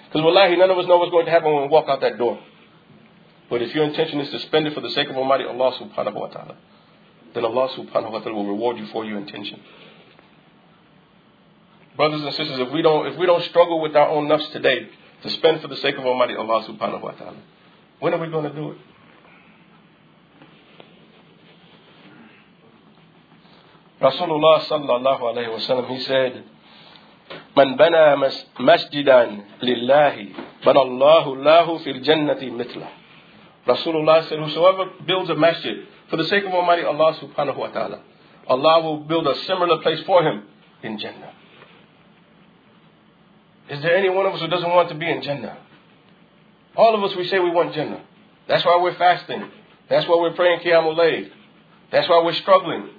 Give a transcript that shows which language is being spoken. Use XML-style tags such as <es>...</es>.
<en>Because wallahi, none of us know what's going to happen when we walk out that door. But if your intention is to spend it for the sake of Almighty Allah subhanahu wa ta'ala, then Allah subhanahu wa ta'ala will reward you for your intention. Brothers and sisters, if we don't struggle with our own nafs today to spend for the sake of Almighty Allah subhanahu wa ta'ala, when are we going to do it? Rasulullah sallallahu alayhi wa sallam, he said,</en> <ar>مَنْ بَنَى مَسْجِدًا لِلَّهِ بَنَى اللَّهُ لَهُ فِي الْجَنَّةِ مِثْلَهُ.</ar> <en>Rasulullah said, whosoever builds a masjid for the sake of Almighty Allah subhanahu wa ta'ala, Allah will build a similar place for him in Jannah. Is there any one of us who doesn't want to be in Jannah? All of us, we say we want Jannah. That's why we're fasting. That's why we're praying Qiyamul Layl. That's why we're struggling.</en>